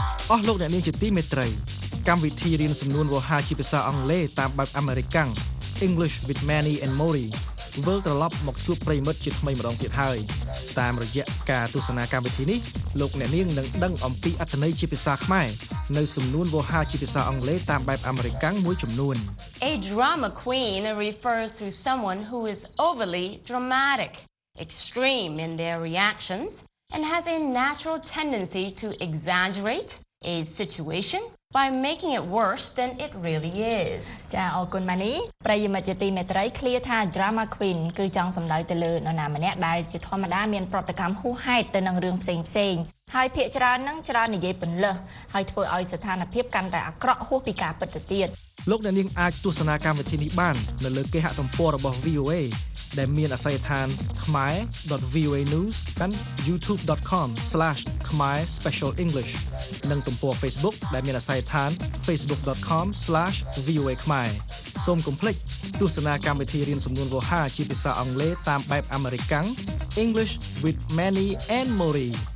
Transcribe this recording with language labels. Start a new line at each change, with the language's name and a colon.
Khmer: អស់លោកអ្នកនាងជាទីមេត្រីកម្មវិធីរៀនសំនួនវោហារជាភាសាអង់គ្លេសតាមបែបអាមេរិកាំង English with Manny and Mori វិលត្រឡប់មកជួបប្រិមិត្តជាថ្មីម្ដងទៀតហើយតាមរយៈការទស្សនាកម្មវិធីនេះលោកអ្នកនាងនឹងដឹងអំពីអត្ថន័យជាភាសាខ្មែរនៅសំនួនវោហារជាភាសាអង់គ្លេសតាមបែបអាមេរិកាំងមួយចំនួន
English: A drama queen refers to someone who is overly dramatic, extreme in their reactions and has a natural tendency to exaggerate a situationby making it worse than it really is
Khmer: ចាអរគុណម៉ានីប្រិយមិត្តជាទីមេត្រីឃ្លាថា drama queen គឺចង់សម្ដៅទៅលើនរណាម្នាក់ដែលជាធម្មតាមានប្រតិកម្មហ៊ូហេតុទៅនឹងរឿងផ្សេងផ្សេងហើយភាកច្រើននឹងច្រើននិយាយពន្លើសហើយធ្វើឲ្យស្ថានភាពកាន់តែអាក្រក់ហួសពីការពិតទៅទៀត លោកអ្នកនាងអាចទស្សនាកម្មវិធីនេះបាននៅលើគេហទំព័ររបស់ VOA ដែលមានអាសយដ្ឋាន khmer.voanews និង youtube.com/khmer_special_english និងទំព័រ Facebook ដែលមានអាសយដ្ឋាន facebook.com/voakhmer សូមកុំភ្លេចទស្សនាកម្មវិធីរៀនសំនួនវោហារជាភាសាអង់គ្លេសតាមបែបអាមេរិកាំង English with Manny and Mori